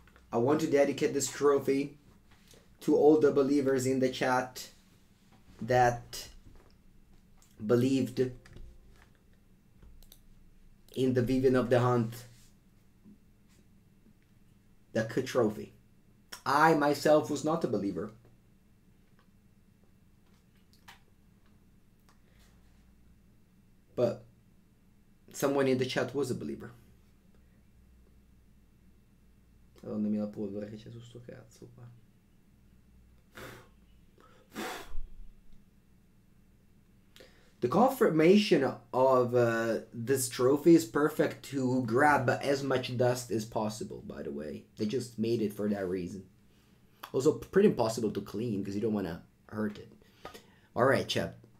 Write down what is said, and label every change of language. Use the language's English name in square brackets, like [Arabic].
[English] I want to dedicate this trophy to all the believers in the chat that believed in the Vivien of the Hunt, the Ketrophy. I myself was not a believer. But someone in the chat was a believer. [Italian] Madonna mia, la polvere che c'è su sto cazzo qua. [English] The confirmation of this trophy is perfect to grab as much dust as possible, by the way. They just made it for that reason. Also, pretty impossible to clean because you don't want to hurt it. Alright, chap.